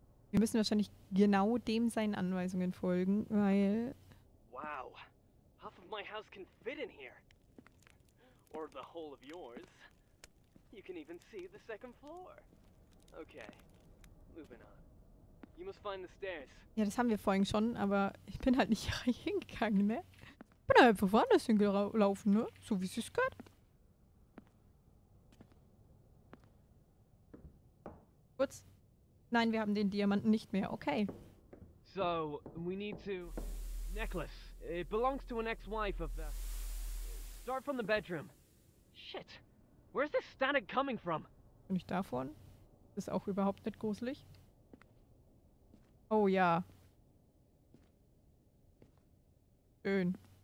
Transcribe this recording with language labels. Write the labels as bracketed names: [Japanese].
[German] Wir müssen wahrscheinlich genau dem seinen Anweisungen folgen, weil. [English] Wow, half of my house can fit in here. Or the whole of yours. You can even see the second floor. Okay, moving on. You must find the stairs. [German] Ja, das haben wir vorhin schon, aber ich bin halt nicht reingegangen, ne? Bin halt einfach woanders hingelaufen, ne? So wie sie es gehört. Kurz. Nein, wir haben den Diamanten nicht mehr. Okay. [English] So, we need to... Necklace. It belongs to an ex-wife of the... Start from the bedroom. Shit. Where's this standard coming from? [German] Bin ich davon? Ist auch überhaupt nicht gruselig. Oh ja. Schön.